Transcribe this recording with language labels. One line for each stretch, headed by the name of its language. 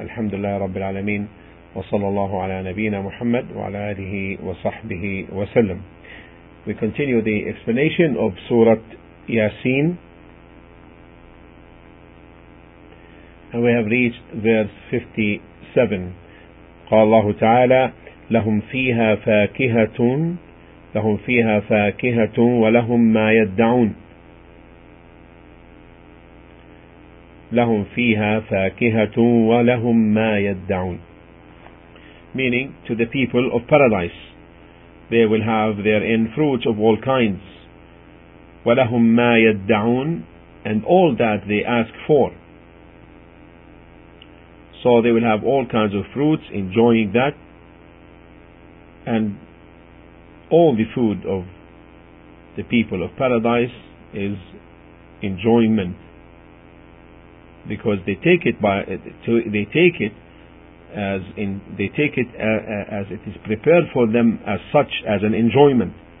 Arabic: الحمد لله رب العالمين، وصلى الله على نبينا محمد وعلى آله وصحبه وسلم.
English: We continue the explanation of Surah Yasin, and we have reached verse 57.
Arabic: قال الله تعالى لهم فيها فاكهة ولهم ما يدعون لهم فيها فاكهة ولهم ما يدعون.
English: Meaning, to the people of paradise, they will have therein fruits of all kinds.
Arabic: وَلَهُمْ مَا يَدَّعُونَ,
English: and all that they ask for. So they will have all kinds of fruits, enjoying that, and all the food of the people of paradise is enjoyment, because they take it as it is prepared for them as such, as an enjoyment.